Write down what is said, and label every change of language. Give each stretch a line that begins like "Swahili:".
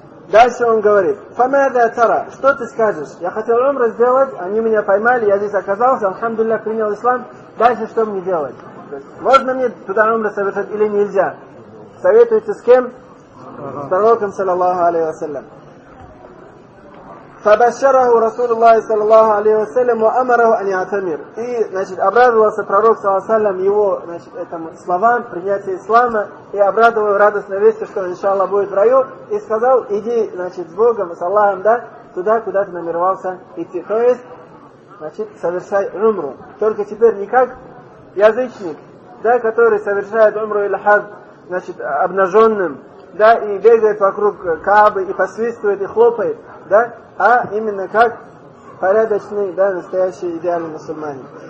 Russian: Дальше он говорит,
Arabic: «Фамада тара,
Russian: что ты скажешь? Я хотел Умра сделать, они меня поймали, я здесь оказался, алхамдулля, принял ислам, дальше что мне делать? Можно мне туда Умра совершать или нельзя? Советуйте с кем? С пророком,
Arabic: саллаллаху алейхи ва саллям». فبشره رسول الله صلى الله عليه وسلم وأمره أن يعتمر.
Russian: И, значит, обрадовался пророк
Arabic: صلى الله عليه وسلم
Russian: его, значит, этому словам принятия ислама и обрадовал радостной вести, что иншаллах будет в раю, и сказал, иди, значит, с Богом, с Аллахом, да, туда, куда ты намеревался идти, то есть, значит, совершай умру, только теперь не как язычник, да, который совершает умру или хадж, значит, обнаженным, да, и бегает вокруг Каабы и посвистывает и хлопает, да, а именно как порядочный, да, настоящий, идеальный мусульманин.